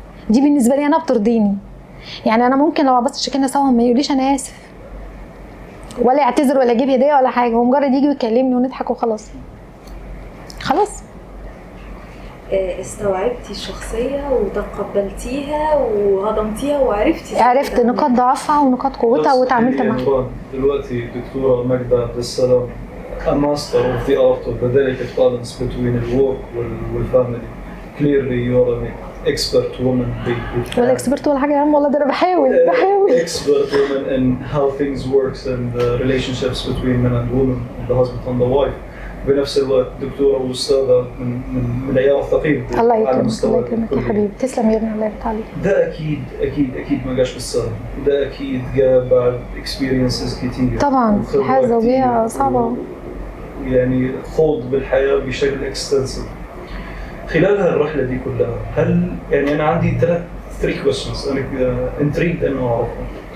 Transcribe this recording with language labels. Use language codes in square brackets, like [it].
[ar] دي بالنسبه لي انا بترضيني، يعني انا ممكن لو عبصت شكلنا سوا ما يقوليش انا اسف ولا يعتذر ولا اجيب هديه ولا حاجه، ومجرد يجي يكلمني ونضحك وخلاص خلاص. استوعبتي الشخصية وتقبلتيها وهضمتيها وعرفتي عرفت نقاط ضعفها ونقاط قوتها وتعاملت معها. دلوقتي دكتورة ماجدة عبد السلام [en] a master of the art of the delicate balance between the work and family. Clearly you are an expert woman. [ar] ولا اكسبرت ولا حاجة يا عم، والله ده انا بحاول بحاول. [en] Expert woman in how things works and the relationships between men and women, the husband and the wife. [ar] بنفس الوقت دكتورة وأستاذة من عيار الثقيل. الله يكرمك يا حبيبي، تسلم يا ابن الله يطالي. ده أكيد أكيد أكيد ما جاش بالسهل، ده أكيد جاب بعد experiences كتير طبعا، الحياة الزوجية صعبة يعني خوض بالحياة بشكل extensive. خلال هالرحلة دي كلها هل يعني أنا عندي three questions أنا intrigued أنه أعرفها.